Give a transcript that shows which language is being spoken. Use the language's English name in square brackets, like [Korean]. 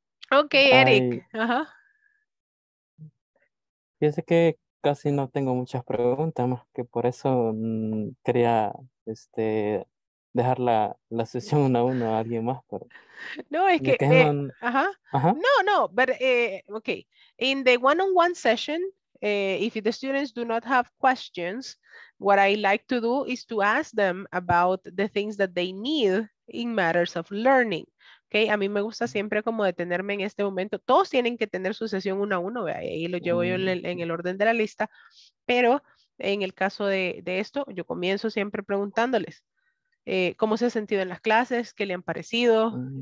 [English] Okay, Eric. [Spanish] Fíjese que casi no tengo muchas preguntas, más que por eso quería dejar la sesión uno a uno a alguien más. Pero no, es que, [English] No, but okay. In the one-on-one session, if the students do not have questions, what I like to do is to ask them about the things that they need in matters of learning. [Spanish] Okay, a mí me gusta siempre como detenerme en este momento. Todos tienen que tener su sesión uno a uno, ¿verdad? Ahí lo llevo yo en el orden de la lista. Pero en el caso de esto, yo comienzo siempre preguntándoles cómo se ha sentido en las clases, qué le han parecido.